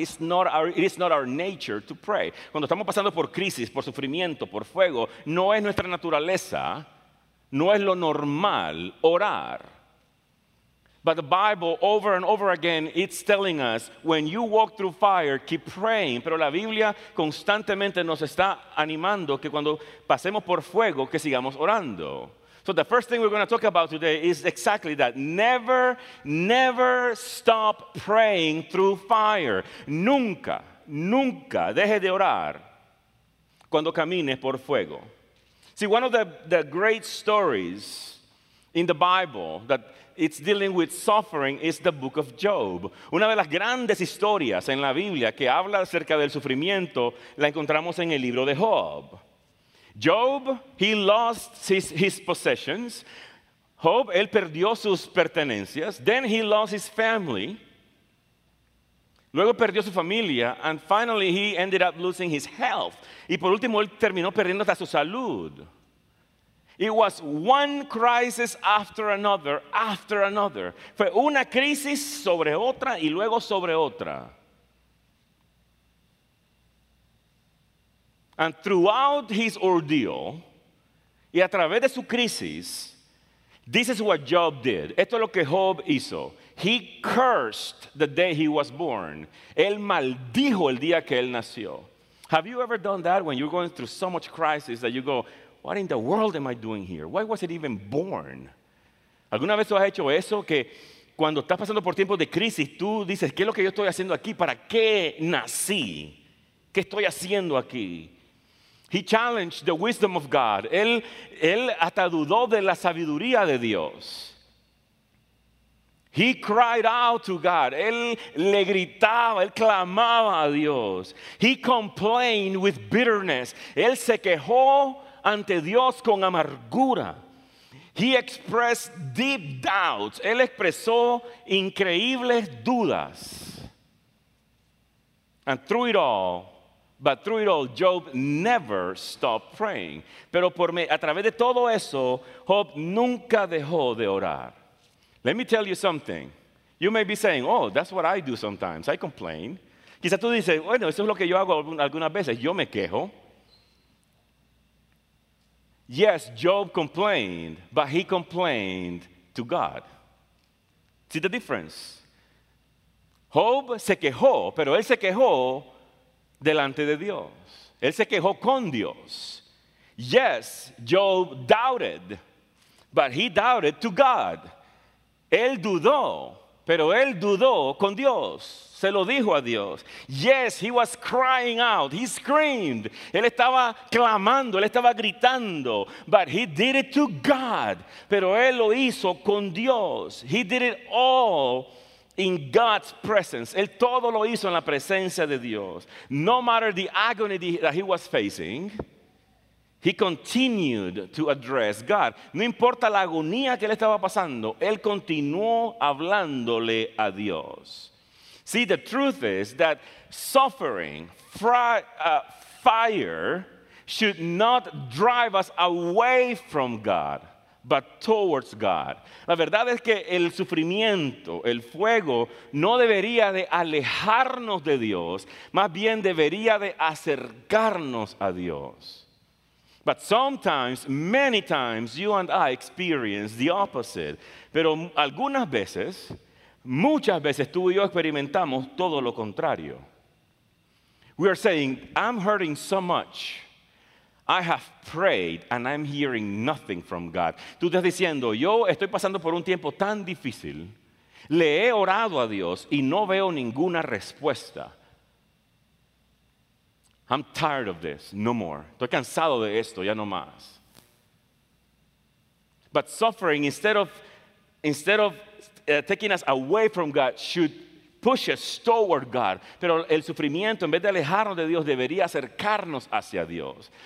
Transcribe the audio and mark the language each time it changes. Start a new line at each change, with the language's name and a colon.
English: It is not our nature to pray.
Spanish: Cuando estamos pasando por crisis, por sufrimiento, por fuego, no es nuestra naturaleza, no es lo normal orar.
English: But the Bible, over and over again, it's telling us, when you walk through fire, keep praying.
Spanish: Pero la Biblia constantemente nos está animando que cuando pasemos por fuego, que sigamos orando.
English: So the first thing we're going to talk about today is exactly that. Never, never stop praying through fire.
Spanish: Nunca, nunca deje de orar cuando camines por fuego.
English: See, one of the great stories in the Bible that it's dealing with suffering is the book of Job.
Spanish: Una de las grandes historias en la Biblia que habla acerca del sufrimiento la encontramos en el libro de Job.
English: Job, he lost his possessions.
Spanish: Job, él perdió sus pertenencias.
English: Then he lost his family.
Spanish: Luego perdió su familia.
English: And finally, he ended up losing his health.
Spanish: Y por último, él terminó perdiendo hasta su salud.
English: It was one crisis after another.
Spanish: Fue una crisis sobre otra y luego sobre otra.
English: And throughout his ordeal,
Spanish: y a través de su crisis,
English: this is what Job did.
Spanish: Esto es lo que Job hizo.
English: He cursed the day he was born.
Spanish: Él maldijo el día que él nació.
English: Have you ever done that when you're going through so much crisis that you go, what in the world am I doing here? Why was it even born?
Spanish: ¿Alguna vez tú has hecho eso? Que cuando estás pasando por tiempos de crisis, tú dices, ¿qué es lo que yo estoy haciendo aquí? ¿Para qué nací? ¿Qué estoy haciendo aquí?
English: He challenged the wisdom of God.
Spanish: Él hasta dudó de la sabiduría de Dios.
English: He cried out to God.
Spanish: Él le gritaba, él clamaba a Dios.
English: He complained with bitterness.
Spanish: Él se quejó ante Dios con amargura.
English: He expressed deep doubts.
Spanish: Él expresó increíbles dudas.
English: And through it all, but through it all, Job never stopped praying.
Spanish: Pero a través de todo eso, Job nunca dejó de orar.
English: Let me tell you something. You may be saying, oh, that's what I do sometimes. I complain.
Spanish: Quizás tú dices, bueno, eso es lo que yo hago algunas veces. Yo me quejo.
English: Yes, Job complained, but he complained to God. See the difference?
Spanish: Job se quejó, pero él se quejó delante de Dios. Él se quejó con Dios.
English: Yes, Job doubted, but he doubted to God.
Spanish: Él dudó, pero él dudó con Dios. Se lo dijo a Dios.
English: Yes, he was crying out. He screamed.
Spanish: Él estaba clamando, él estaba gritando.
English: But he did it to God.
Spanish: Pero él lo hizo con Dios.
English: He did it all in God's presence.
Spanish: Él todo lo hizo en la presencia de Dios.
English: No matter the agony that he was facing, he continued to address God.
Spanish: No importa la agonía que él estaba pasando, él continuó hablándole a Dios.
English: See, the truth is that suffering, fire, should not drive us away from God, but towards God.
Spanish: La verdad es que el sufrimiento, el fuego, no debería de alejarnos de Dios, más bien debería de acercarnos a Dios.
English: But sometimes, many times, you and I experience the opposite.
Spanish: Pero algunas veces, muchas veces, tú y yo experimentamos todo lo contrario.
English: We are saying, I'm hurting so much. I have prayed and I'm hearing nothing from God.
Spanish: Tú estás diciendo, yo estoy pasando por un tiempo tan difícil. Le he orado a Dios y no veo ninguna respuesta.
English: I'm tired of this, no more.
Spanish: Estoy cansado de esto, ya no más.
English: But suffering, instead of taking us away from God, should push us toward God.
Spanish: Pero el sufrimiento, en vez de alejarnos de Dios, debería acercarnos hacia Dios.